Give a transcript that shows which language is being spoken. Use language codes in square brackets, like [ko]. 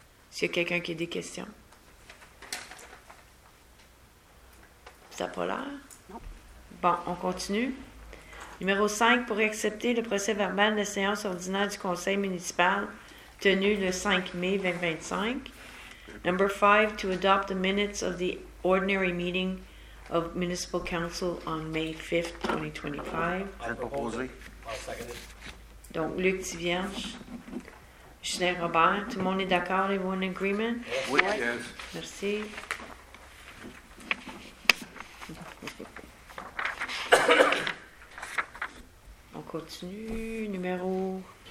[fr] S'il y a quelqu'un qui a des questions. Ça n'a pas l'air? Non. Bon, on continue. Numéro 5, pour accepter le procès verbal de la séance ordinaire du conseil municipal tenue le 5 mai 2025. [en] Number 5, to adopt the minutes of the ordinary meeting of municipal council on May 5th, 2025. [fr] Vous êtes proposé. Donc, Luc Thivierge, Chenet Robert, tout le monde est d'accord, et vous en agreement? Oui, [en] yes. Yes. [fr] Merci. On continue, numéro...